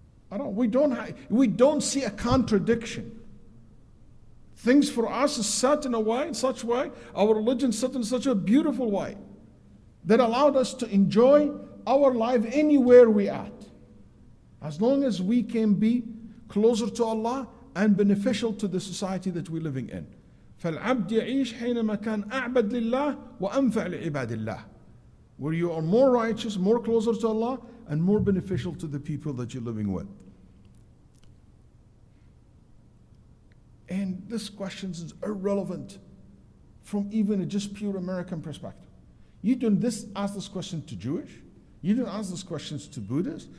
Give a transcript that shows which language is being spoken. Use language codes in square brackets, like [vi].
[en] We don't see a contradiction. Things for us is set in a way, in such a way, our religion set in such a beautiful way, that allowed us to enjoy our life anywhere we at. As long as we can be closer to Allah and beneficial to the society that we're living in. [ar] فالعبد يعيش حينما كان أعبد لله وأنفع لعباد الله. [en] Where you are more righteous, more closer to Allah, and more beneficial to the people that you're living with. And this question is irrelevant from even a just pure American perspective. You don't ask this question to Jewish. You don't ask these questions to Buddhists.